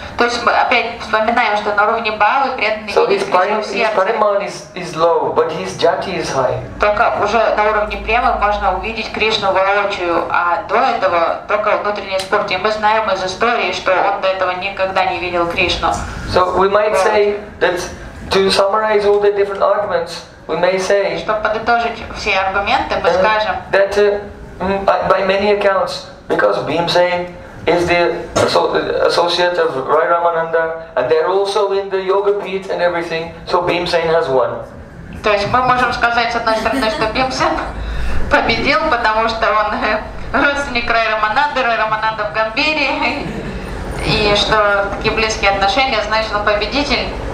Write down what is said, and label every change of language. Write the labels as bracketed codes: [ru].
[ru] То есть мы опять вспоминаем, что на уровне баллы преданный [en] His prema is low, but his jati is high. [ru] Только уже на уровне премы можно увидеть Кришну воочию, а до этого только внутренний спорт. И мы знаем из истории, что он до этого никогда не видел Кришну. [en] So we might say that to summarize all the different arguments, we may say. [ru] Чтобы подытожить все аргументы, мы скажем. [en] That by many accounts, because Bhimsen is the associate of Rai Ramananda, and they're also in the yoga pit and everything, so Bhimsen has won. [ru] То есть мы можем сказать, с одной стороны, что Бхимсен победил, потому что он родственник Рай Рамананда в Гамбире, и что такие близкие отношения, значит, он победитель.